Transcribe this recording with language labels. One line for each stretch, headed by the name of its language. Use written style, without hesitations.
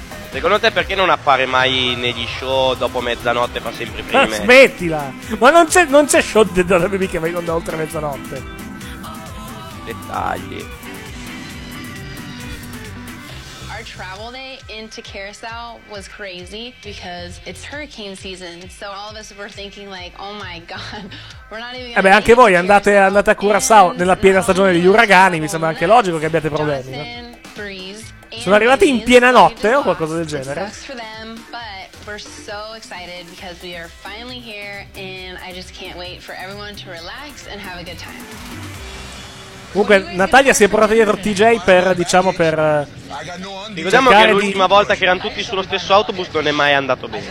Italian: Secondo te perché non appare mai negli show dopo mezzanotte, fa sempre prima? Smettila! Ma non c'è show di Donna Baby che va in onda oltre mezzanotte. Dettagli.
English: Our travel day into Carousel was crazy because it's hurricane season, so all of us were thinking like, oh my god, we're not even.
Italian: Beh, anche voi andate a Curaçao nella piena stagione degli uragani, mi sembra anche logico che abbiate problemi. Sono arrivati in piena notte o qualcosa del genere.
English: We're so excited because we are finally here and I just can't wait for everyone to relax and have a good time.
Italian: Comunque Natalia si è portata dietro TJ per ricordiamo che l'ultima volta che erano tutti sullo stesso autobus non è mai andato bene.